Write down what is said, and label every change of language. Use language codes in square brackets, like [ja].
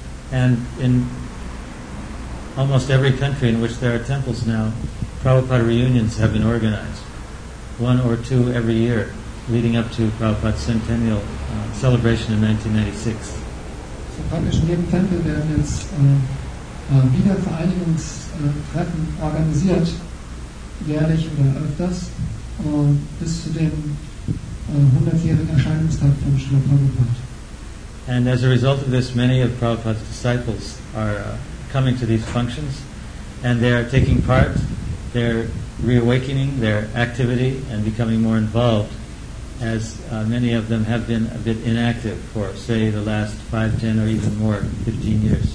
[en] and in almost every country in which there are temples now, Prabhupada reunions have been organized, one or two every year, leading up to Prabhupada's centennial celebration in 1996. [de] So praktisch in jedem Tempel werden jetzt Wiedervereinigungstreffen organisiert, jährlich oder öfters, bis zu dem 100-jährigen Erscheinungstag von Srila Prabhupada. [en] And as a result of this, many of Prabhupada's disciples are coming to these functions, and they are taking part, they're reawakening their activity and becoming more involved, as many of them have been a bit inactive for, say, the last 5, 10, or even more, 15 years.